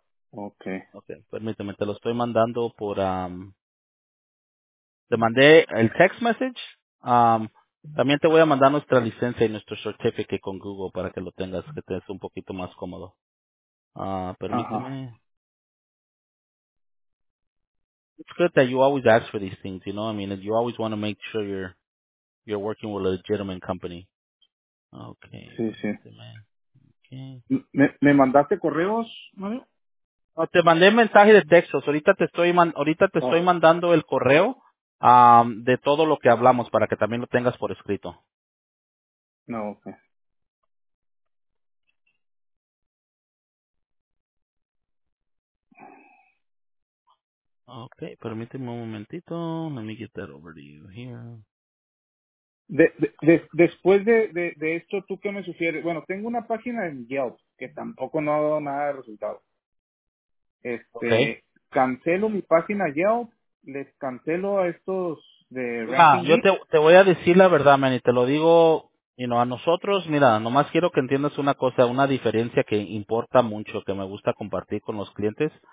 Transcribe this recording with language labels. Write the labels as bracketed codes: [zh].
[es] Okay. Okay, permíteme, te lo estoy mandando por, te mandé el text message, también te voy a mandar nuestra licencia y nuestro certificate con Google para que lo tengas, que te es un poquito más cómodo. Permíteme. Uh-huh. [en] It's good that you always ask for these things, you know? I mean, you always want to make sure you're working with a legitimate company. Okay. [es] Sí, sí. Permíteme. Okay. ¿Me mandaste correos, Mario? No, te mandé mensaje de texto. Ahorita te estoy mandando el correo. De todo lo que hablamos para que también lo tengas por escrito. No, okay. Okay, permíteme un momentito. [en] Let me get that over to you here. [es] Después de esto, ¿tú qué me sugieres? Bueno, tengo una página en Yelp que tampoco no ha dado nada de resultado. Cancelo mi página Yelp. ¿Les cancelo a estos de Ranking? Yo te voy a decir la verdad, man, y te lo digo, you know, a nosotros, mira, nomás quiero que entiendas una cosa, una diferencia que importa mucho, que me gusta compartir con los clientes.